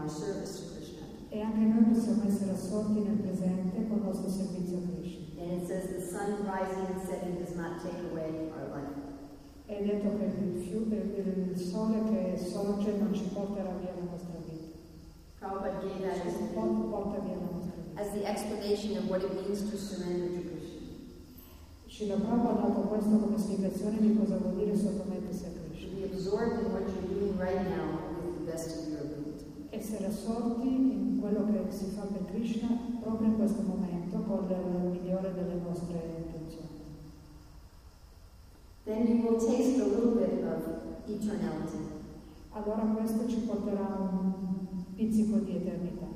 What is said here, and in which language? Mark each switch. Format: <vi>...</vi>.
<it>E anche noi possiamo essere assorti nel presente con il nostro servizio a Krishna.</it> <en>And it says the sun rising and setting does not take away our life.</en> <it>È detto che il fiume, il sole che sorge non ci porterà via la nostra vita.</it> <en>Prabhupada gave that as,</en> <it>porta via la nostra vita.</it> <en>As the explanation of what it means to surrender to Krishna.</en> <it>Srila Prabhupada ha dato questo come spiegazione di cosa vuol dire sottomettersi a Krishna.</it> <en>Be absorbed in what you're doing right now with the best of your ability.</en> <it>Essere assorti in quello che si fa per Krishna proprio in questo momento con il migliore delle nostre intenzioni.</it> <en>Then you will taste a little bit of eternality.</en> <it>Allora questo ci porterà un pizzico di eternità.</it>